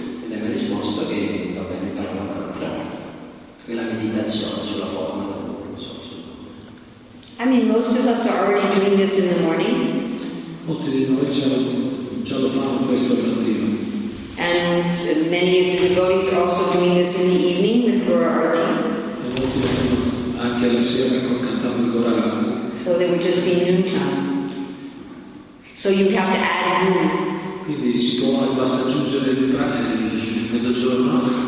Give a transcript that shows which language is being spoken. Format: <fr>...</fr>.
<it>E lei mi ha risposto che va bene tra una mantra, che la meditazione sulla forma del guru, non so, sulla...</it> <en>I mean, most of us are already doing this in the morning.</en> <it>Molti di noi già lo fanno questo mattino.</it> <en>And many of the devotees are also doing this in the evening with Gaura Arati.</en> <it>E molti lo fanno anche la sera con cantando il Gaura Arati.</it> <en>So there would just be noon time. So you have to add noon.</en> <it>Quindi si può, basta aggiungere il pranzo di mezzogiorno.</it>